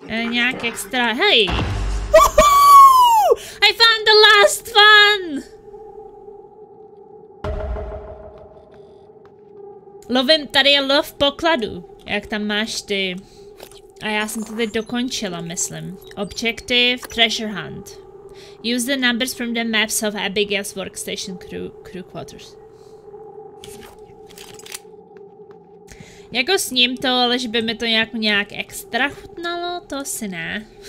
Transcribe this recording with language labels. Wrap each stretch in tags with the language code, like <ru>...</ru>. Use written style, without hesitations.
<cs>Nějak extra. Hej! Woohoo!</cs> <en>I found the last one!</en> <cs>Lovím, tady je lov pokladu. Jak tam máš ty. A já jsem to teď dokončila, myslím.</cs> <en>Objective treasure hunt. Use the numbers from the maps of Abigail's workstation crew quarters.</en> <cs>Jako s ním to, ale že by mi to nějak extra chutnalo, to asi ne.</cs>